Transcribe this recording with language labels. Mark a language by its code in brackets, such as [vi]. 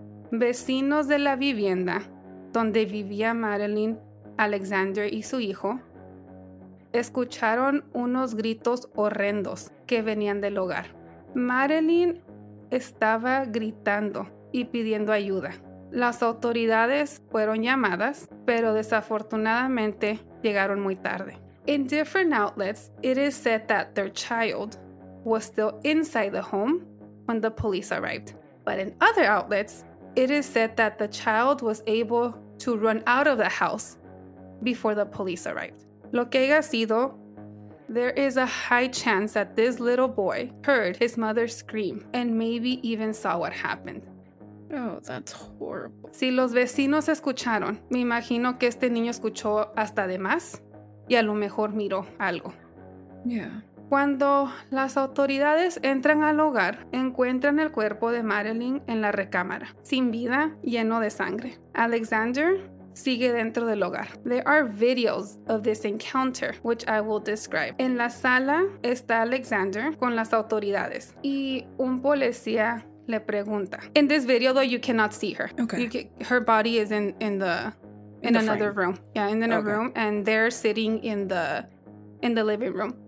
[es] Vecinos de la vivienda donde vivía Marilyn, Alexander y su hijo, escucharon unos gritos horrendos que venían del hogar. Marilyn estaba gritando y pidiendo ayuda. Las autoridades fueron llamadas, pero desafortunadamente llegaron muy tarde. [en] In different outlets, it is said that their child was still inside the home when the police arrived. But in other outlets, it is said that the child was able to run out of the house before the police arrived. [es] Lo que haya sido, [en] there is a high chance that this little boy heard his mother scream and maybe even saw what happened. Oh, that's horrible. [es] Si los vecinos escucharon, me imagino que este niño escuchó hasta de más y a lo mejor miró algo. [en] Yeah. [es] Cuando las autoridades entran al hogar, encuentran el cuerpo de Marilyn en la recámara, sin vida, lleno de sangre. Alexander sigue dentro del hogar. [en] There are videos of this encounter, which I will describe. [es] En la sala está Alexander con las autoridades y un policía le pregunta. [en] In this video, though, you cannot see her. Okay. You can, her body is in another room. Yeah, in another room, and they're sitting in the living room.